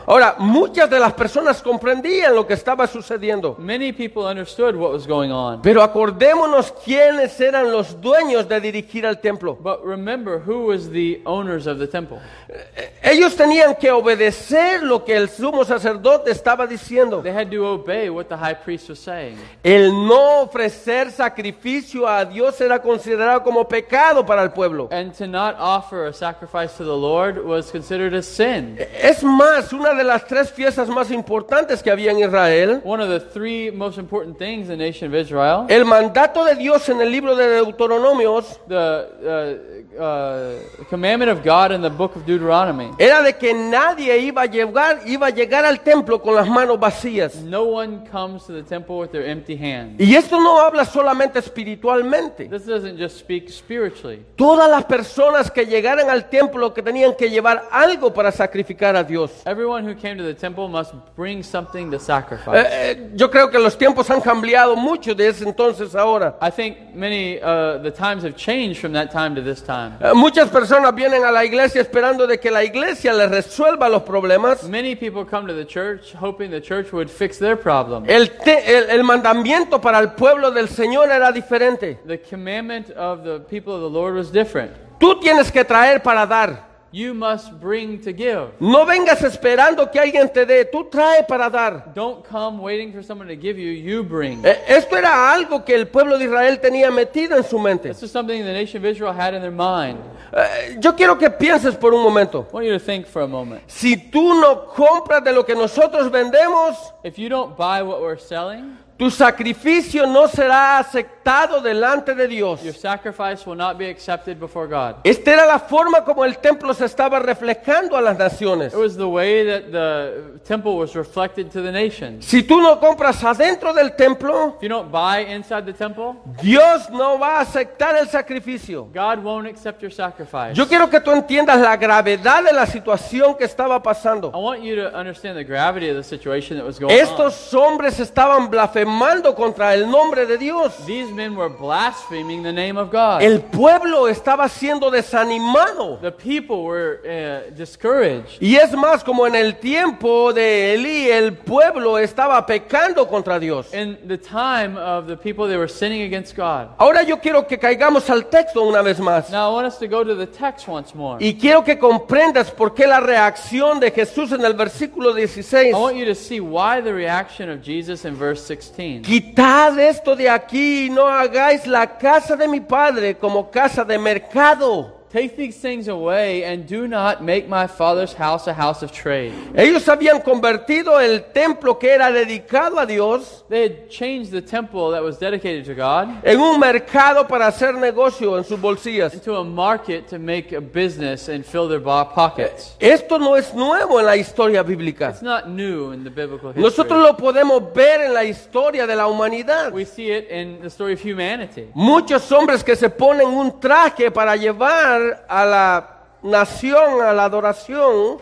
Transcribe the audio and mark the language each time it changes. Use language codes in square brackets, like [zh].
[es] Ahora, muchas de las personas comprendían lo que estaba sucediendo. [en] Many people understood what was going on. [es] Pero acordémonos quiénes eran los dueños de dirigir al templo. [en] But remember who was the owners of the temple. [es] Ellos tenían que obedecer lo que el sumo sacerdote estaba diciendo. [en] They had to obey what the high priest was saying. [es] El no ofrecer sacrificio a Dios era considerado como pecado para el pueblo. [en] And to not offer a sacrifice to the Lord was considered a sin. [es] Es más, una de las tres fiestas más importantes que había en Israel. [en] One of the three most important things in the nation of Israel. [es] El mandato de Dios en el libro de Deuteronomios. [en] The commandment of God in the book of Deuteronomy. [es] Era de que nadie iba a llegar al templo con las manos vacías. [en] No one comes to the temple with their empty hands. [es] Y esto no habla solamente espiritualmente. [en] This doesn't just speak spiritually. [es] Todas las personas que llegaran al templo que tenían que llevar algo para sacrificar a Dios. [en] Everyone who came to the temple must bring something to sacrifice. [es] Yo creo que los tiempos han cambiado mucho de ese entonces ahora. [en] I think many the times have changed from that time to this time. [es] Muchas personas vienen a la iglesia esperando de que la iglesia les resuelva los problemas. [en] Many people come to the church hoping the church would fix their problem. [es] El mandamiento para el pueblo del Señor era diferente. [en] The commandment of the people of the Lord was different. [es] Tú tienes que traer para dar. [en] You must bring to give. [es] No vengas esperando que alguien te dé. Tú trae para dar. [en] Don't come waiting for someone to give you. You bring. [es] Esto era algo que el pueblo de Israel tenía metido en su mente. [en] This is something the nation of Israel had in their mind. [es] Yo quiero que pienses por un momento. [en] I want you to think for a moment. [es] Si tú no compras de lo que nosotros vendemos, [en] if you don't buy what we're selling, [es] tu sacrificio no será aceptado delante de Dios. [en] Your sacrifice will not be accepted before God. [es] Esta era la forma como el templo se estaba reflejando a las naciones. [en] It was the way that the temple was reflected to the nations. [es] Si tú no compras adentro del templo, [en] if you don't buy inside the temple, [es] Dios no va a aceptar el sacrificio. [en] God won't accept your sacrifice. [es] Yo quiero que tú entiendas la gravedad de la situación que estaba pasando. [en] I want you to understand the gravity of the situation that was going [es] Estos [en] on. [es] Estos hombres estaban blasfemando contra el nombre de Dios. [en] These men were blaspheming the name of God. [es] El pueblo estaba siendo desanimado. [en] The people were discouraged. [es] Y es más, como en el tiempo de Elí, el pueblo estaba pecando contra Dios. [en] In the time of the people, they were sinning against God. [es] Ahora yo quiero que caigamos al texto una vez más. [en] Now I want us to go to the text once more. [es] Y quiero que comprendas por qué la reacción de Jesús en el versículo 16. [en] I want you to see why the reaction of Jesus in verse 16. [es] Quitad esto de aquí y no hagáis la casa de mi padre como casa de mercado. [en] Take these things away and do not make my father's house a house of trade. [es] Ellos habían convertido el templo que era dedicado a Dios. [en] They had changed the temple that was dedicated to God. [es] En un mercado para hacer negocio en sus bolsillas. [en] Into a market to make a business and fill their pockets. [es] Esto no es nuevo en la historia bíblica. [en] It's not new in the biblical history. [es] Nosotros lo podemos ver en la historia de la humanidad. [en] We see it in the story of humanity. [es] Muchos hombres que se ponen un traje para llevar a la nación, a la adoración.